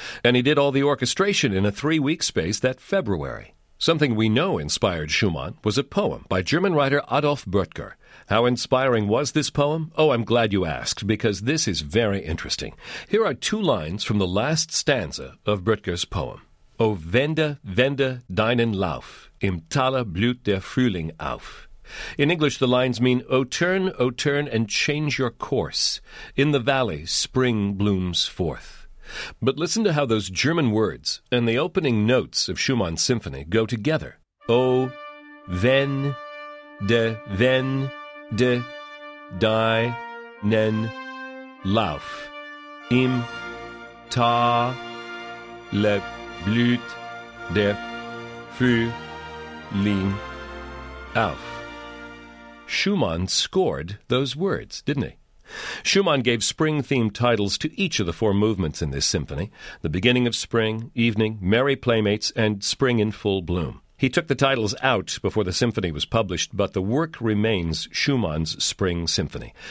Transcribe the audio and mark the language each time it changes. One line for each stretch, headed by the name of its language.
English: And he did all the orchestration in a 3-week space that February. Something we know inspired Schumann was a poem by German writer Adolf Böttger. How inspiring was this poem? Oh, I'm glad you asked, because this is very interesting. Here are 2 lines from the last stanza of Böttger's poem.
German: O Wende, Wende, deinen Lauf, im Tale blüht der Frühling auf.
English: In English, the lines mean, O turn, and change your course. In the valley, spring blooms forth. But listen to how those German words and the opening notes of Schumann's symphony go together.
German: O Wende, De, wenn, de, die, nen, lauf, im, ta, le, blüht, de, fü, lin, auf.
English: Schumann scored those words, didn't he? Schumann gave spring-themed titles to each of the 4 movements in this symphony: the beginning of spring, evening, merry playmates, and spring in full bloom. He took the titles out before the symphony was published, but the work remains Schumann's Spring Symphony.